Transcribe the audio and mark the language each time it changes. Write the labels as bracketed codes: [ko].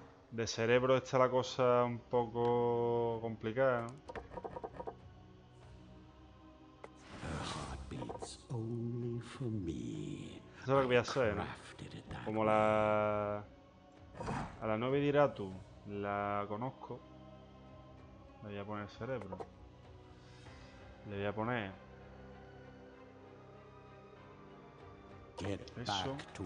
[es] De cerebro está la cosa un poco complicada, ¿no? [en] Her heart beats only for me. [es] Eso es lo que voy a hacer, ¿no? Como la... A la novia de Iratu la conozco. Le voy a poner cerebro. Le voy a poner... Eso,